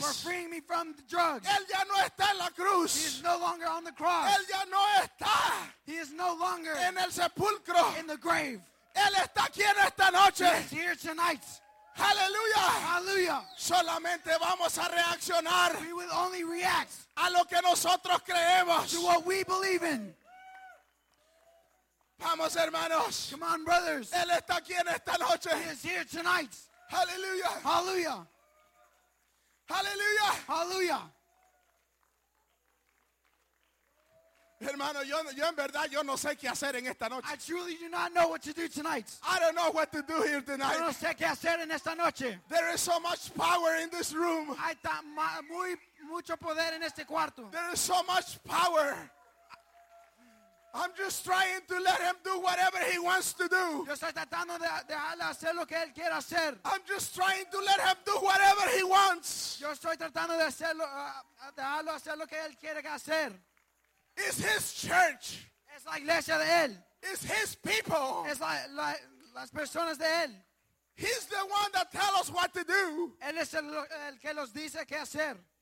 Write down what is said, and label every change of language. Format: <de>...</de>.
<en>For freeing me from the drugs.</en> <es>Él ya no está en la cruz.</es> <en>He is no longer on the cross.</en> <es>Él ya no está.</es> <en>He is no longer.</en> <es>En el sepulcro.</es> <en>In the grave.</en> <es>Él está aquí en esta noche.</es> <en>He's here tonight.</en> <es>Aleluya.</es> <en>Hallelujah.</en> <es>Solamente vamos a reaccionar.</es> <en>We will only react.</en> <es>A lo que nosotros creemos.</es> <en>To what we believe in.</en> <es>Vamos, hermanos.</es> <en>Come on, brothers.</en> <es>Él está aquí en esta noche.</es> <en>He is here tonight.</en> <es>Aleluya.</es> <en>Hallelujah. Hallelujah. Hallelujah.</en> <es>Hermano, yo en verdad yo no sé qué hacer en esta noche.</es> <en>I truly do not know what to do tonight. I don't know what to do here tonight.</en> <es>Yo no sé qué hacer en esta noche.</es> <en>There is so much power in this room.</en> <es>Hay muy mucho poder en este cuarto.</es> <en>There is so much power. I'm just trying to let him do whatever he wants to do.</en> <es>Yo estoy tratando de dejarle hacer lo que él quiera hacer.</es> <en>I'm just trying to let him do whatever he wants.</en> <es>Yo estoy tratando de hacerlo dejarlo hacer lo que él quiere hacer.</es> <en>It's his church.</en> <es>Es la iglesia de él.</es> <en>It's his people.</en> <es>Es las personas de él.</es> <en>He's the one that tells us what to do.</en> <es>Él es el que nos dice qué hacer.</es>